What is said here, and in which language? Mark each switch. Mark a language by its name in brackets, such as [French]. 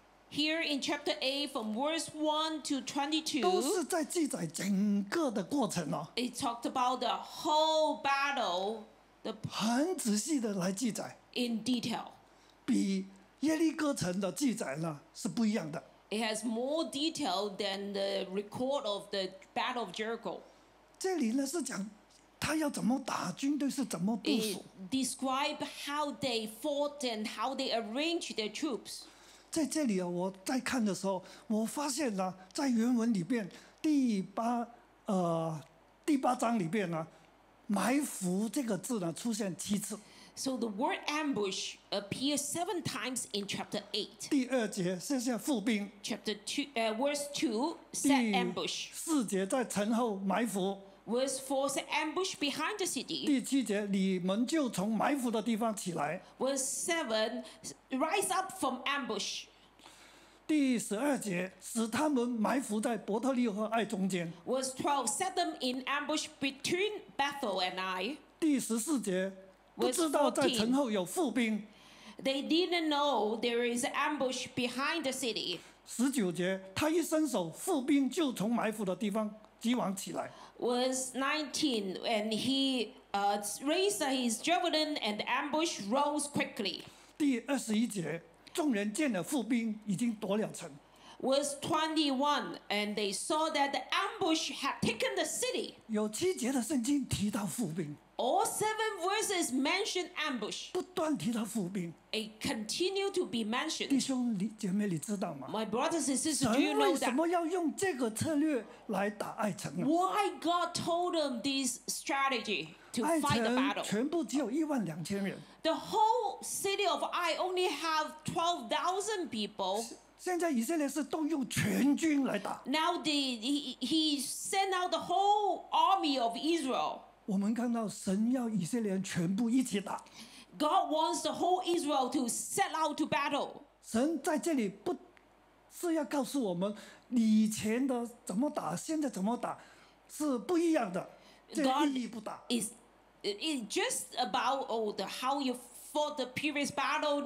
[English] Here in chapter 8, from verse 1 to 22, [Chinese] 都是在记载整个的过程哦。 [English] It talked about the whole battle. [Chinese] 很仔细的来记载。 [English] In detail. [Chinese] 比耶利哥城的记载呢是不一样的。 [English] It has more detail than the record of the Battle of Jericho. [Chinese] 这里呢是讲他要怎么打，军队是怎么部署。 [English] It describe how they fought and how they arrange their troops. [Chinese] 在这里啊，我在看的时候，我发现呢，在原文里边第八章里边呢，埋伏这个字呢出现七次。 [English] So the word ambush appears 7 times in chapter 8. [Chinese] 第二节卸下伏兵。 [English] Chapter 2, verse 2, set ambush. [Chinese] 第四节在城后埋伏。 [English] Verse 4, set ambush behind the city. [Chinese] 第七节，你们就从埋伏的地方起来。 [English] Verse 7, rise up from ambush. [Chinese] 第十二节，使他们埋伏在伯特利和爱中间。 [English] Verse 12, set them in ambush between Bethel and Ai. [Chinese] 第十四节，不知道在城后有伏兵。 [English] They didn't know there is ambush behind the city. [Chinese] 十九节，他一伸手，伏兵就从埋伏的地方急往起来。 [English] Was 19, and he raised his javelin, and the ambush rose quickly. [Chinese] 第二十一节，众人见了伏兵，已经夺了城。 [English] Was 21, and they saw that the ambush had taken the city. [Chinese] 有七节的圣经提到伏兵。 [English] All seven verses mention ambush. [Chinese] 不断提到伏兵。 [English] It continued to be mentioned. [Chinese] 弟兄姐妹，你知道吗 [English] ？My brothers and sisters, do you know that? [Chinese] 神为什么要用这个策略来打爱城呢 [English] ？Why God told them this strategy to fight the battle? [Chinese] 爱城全部只有12,000人。 [English] The whole city of Ai only have 12,000 people. [Chinese] 现在以色列是动用全军来打。 [English] Now he sent out the whole army of Israel. [Chinese] 我们看到神要以色列人全部一起打。 [English] God wants the whole Israel to set out to battle. [Chinese] 神在这里不是要告诉我们以前的怎么打，现在怎么打是不一样的，这意义不大。 [English] It's just about how you fought the previous battle.